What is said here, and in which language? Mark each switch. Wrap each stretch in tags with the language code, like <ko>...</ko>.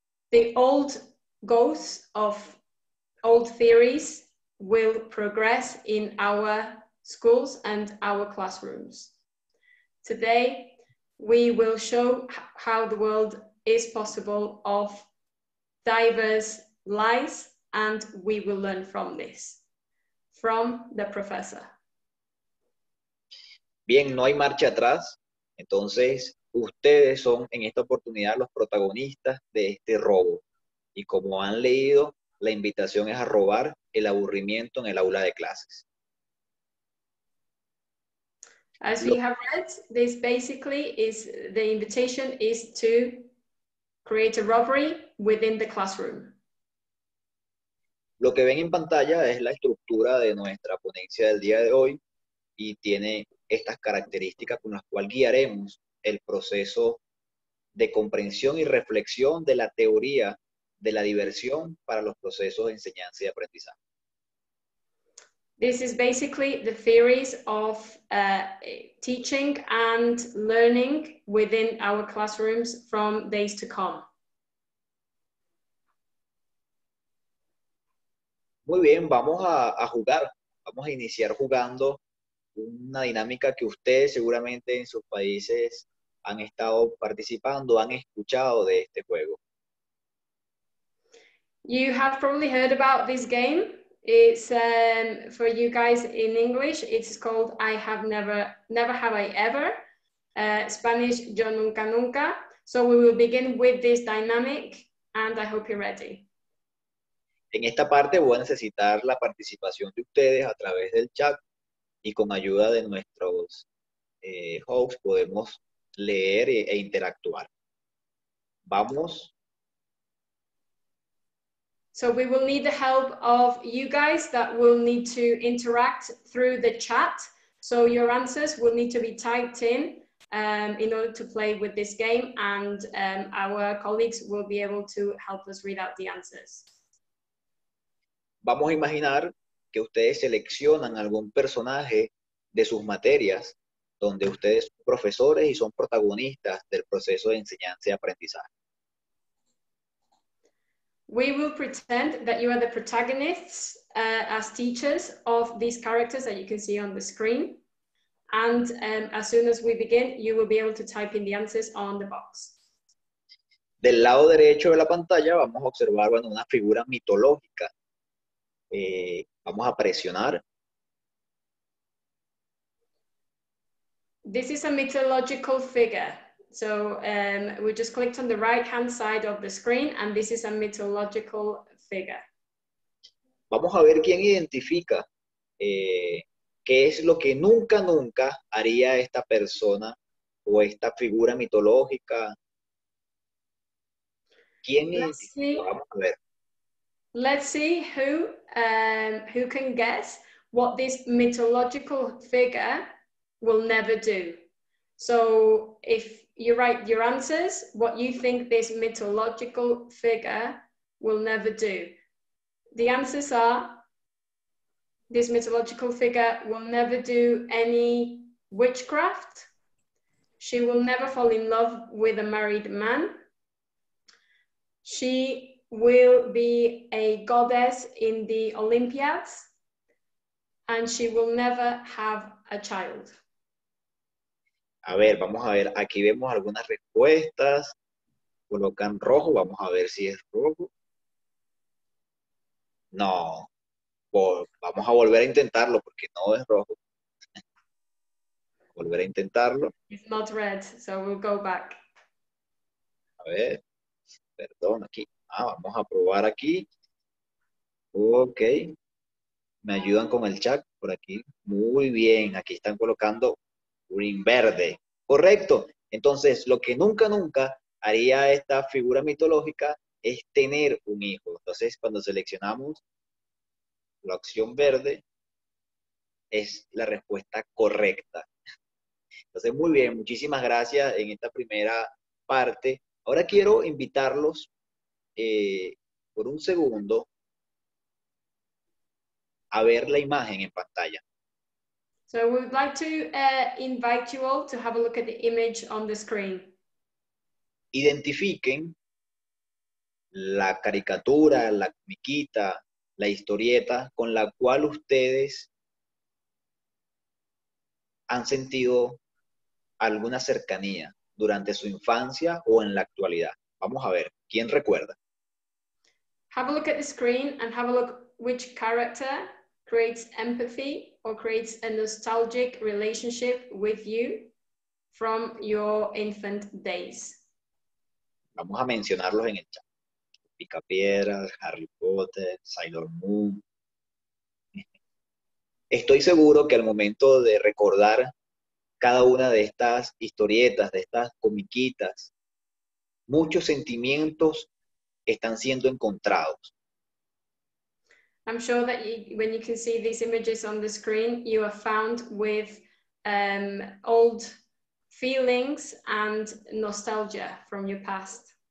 <en>The old goals of old theories will progress in our schools and our classrooms. Today, we will show how the world is possible of diverse lives, and we will learn from this, from the professor.</en> <es>Bien, no hay marcha atrás. Entonces, ustedes son en esta oportunidad los protagonistas de este robo. Y como han leído, la invitación es a robar el aburrimiento en el aula de clases.</es> <en>As we have read, this basically is the invitation is to create a robbery within the classroom.</en> <es>Lo que ven en pantalla es la estructura de nuestra ponencia del día de hoy y tiene estas características con las cuales guiaremos el proceso de comprensión y reflexión de la teoría de la diversión para los procesos de enseñanza y aprendizaje.</es> <en>This is basically the theories of teaching and learning within our classrooms from days to come.</en> <es>Muy bien, vamos a jugar. Vamos a iniciar jugando una dinámica que ustedes seguramente en sus países han estado participando, han escuchado de este juego.</es> <en>You have probably heard about this game. It's for you guys in English, it's called I Have Never Have I Ever. Spanish, Yo Nunca Nunca. So we will begin with this dynamic and I hope you're ready.</en> <es>En esta parte voy a necesitar la participación de ustedes a través del chat y con ayuda de nuestros hosts podemos leer e interactuar. Vamos.</es> <en>So we will need the help of you guys that will need to interact through the chat. So your answers will need to be typed in order to play with this game, and our colleagues will be able to help us read out the answers.</en> <es>Vamos a imaginar que ustedes seleccionan algún personaje de sus materias donde ustedes son profesores y son protagonistas del proceso de enseñanza y aprendizaje.</es> <en>We will pretend that you are the protagonists as teachers of these characters that you can see on the screen. And as soon as we begin, you will be able to type in the answers on the box.</en> <es>Del lado derecho de la pantalla vamos a observar una figura mitológica. Vamos a presionar.</es> <en>This is a mythological figure. So we just clicked on the right-hand side of the screen, and this is a mythological figure.</en> <es>Vamos a ver quién identifica qué es lo que nunca, nunca haría esta persona o esta figura mitológica. ¿Quién identifica? Vamos a ver.</es> <en>Let's see who can guess what this mythological figure will never do. So if you write your answers, what you think this mythological figure will never do. The answers are, this mythological figure will never do any witchcraft. She will never fall in love with a married man. She will be a goddess in the Olympiads, and she will never have a child.</en> <es>A ver, vamos a ver, aquí vemos algunas respuestas, colocan rojo, vamos a ver si es rojo. No, vamos a volver a intentarlo porque no es rojo. Volver a intentarlo.</es> <en>It's not red, so we'll go back.</en> <es>A ver, perdón, aquí. Ah, vamos a probar aquí. Ok, me ayudan con el chat por aquí. Muy bien, aquí están colocando green verde. Correcto. Entonces, lo que nunca, nunca haría esta figura mitológica es tener un hijo. Entonces, cuando seleccionamos la opción verde, es la respuesta correcta. Entonces, muy bien, muchísimas gracias en esta primera parte. Ahora quiero invitarlos por un segundo a ver la imagen en pantalla.</es> <en>So we would like to invite you all to have a look at the image on the screen.</en> <es>Identifiquen la caricatura, la comiquita, la historieta con la cual ustedes han sentido alguna cercanía durante su infancia o en la actualidad. Vamos a ver, ¿quién recuerda?</es> <en>Have a look at the screen and have a look which character creates empathy or creates a nostalgic relationship with you from your infant days.</en> <es>Vamos a mencionarlos en el chat. Picapiedra, Harry Potter, Sailor Moon. Estoy seguro que al momento de recordar cada una de estas historietas, de estas comiquitas, muchos sentimientos están siendo encontrados.</es> <en>I'm sure that you, when you can see these images on the screen, you are found with old feelings and nostalgia from your past.</en>